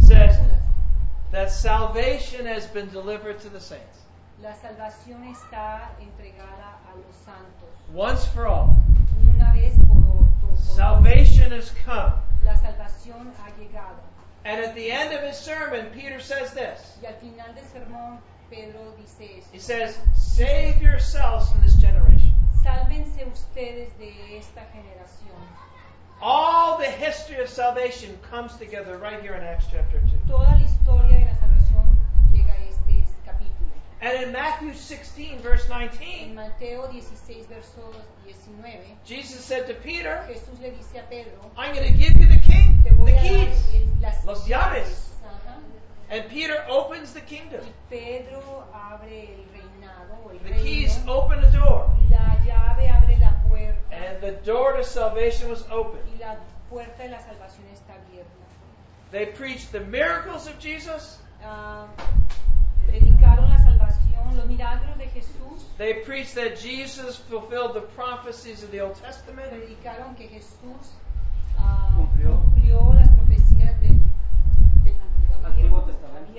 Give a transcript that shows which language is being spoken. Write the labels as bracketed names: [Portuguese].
[English] Says that salvation has been delivered to the saints. [Spanish] La salvación está entregada a los santos. [English] Once for all. [Spanish] Una vez por [English] salvation has come. [Spanish] La salvación ha llegado. [English] And at the end of his sermon, Peter says this. [Spanish] Y al final del sermón, Pedro dice esto. [English] He says, save yourselves from this generation. [Spanish] Sálvense ustedes de esta generación. [English] All the history of salvation comes together right here in Acts chapter 2. [Spanish] Toda la historia de la salvación llega a este capítulo. [English] And in Matthew 16, verse 19, [Spanish] en Mateo 16, verso 19, [English] Jesus said to Peter, [Spanish] Jesús le dice a Pedro, [English] I'm going to give you the king, [Spanish] te voy [English] the keys, [Spanish] a dar las los llaves. [English] And Peter opens the kingdom. [Spanish] Y Pedro abre el reinado, el [English] the [Spanish] reino. [English] Keys open the door. [Spanish] La llave abre la puerta. [English] And the door to salvation was open. [Spanish] Y la puerta de la salvación está abierta. [English] They preached the miracles of Jesus. [Spanish] Predicaron la salvación, los milagros de Jesús. [English] They preached that Jesus fulfilled the prophecies of the Old Testament. [Spanish] Predicaron que Jesús cumplió las profecías del Antiguo Testamento.